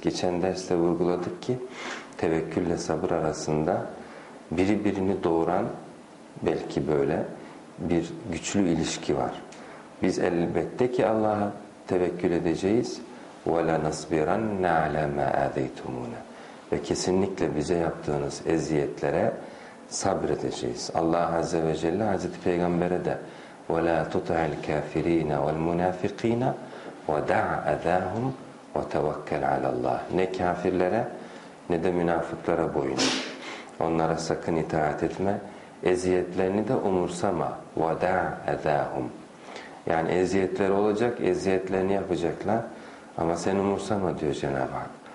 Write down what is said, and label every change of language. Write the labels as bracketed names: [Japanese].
[Turkish] Geçen derste vurguladık ki tevekkülle sabır arasında birbirini doğuran belki böyle bir güçlü ilişki var. Biz elbette ki Allah'a tevekkül edeceğiz. [Arabic] وَلَنَصْبِرَنَّ عَلَى مَا آذَيْتُمُونَ. [Turkish] Ve kesinlikle bize yaptığınız eziyetlere sabredeceğiz. Allah Azze ve Celle Hazreti Peygamber'e de [Arabic] وَلَا تُطَعِ الْكَافِر۪ينَ وَالْمُنَافِق۪ينَ وَدَعْ أَذَاهُمْ وَتَوَكَّلْ عَلَى اللّٰهِ. [Turkish] Ne kafirlere ne de münafıklara boyun. Onlara sakın itaat etme. Eziyetlerini de umursama. [Arabic] وَدَعْ أَذَاهُمْ. [Turkish] Yani eziyetler olacak, eziyetlerini yapacaklar. Ama sen umursama diyor Cenab-ı Hak.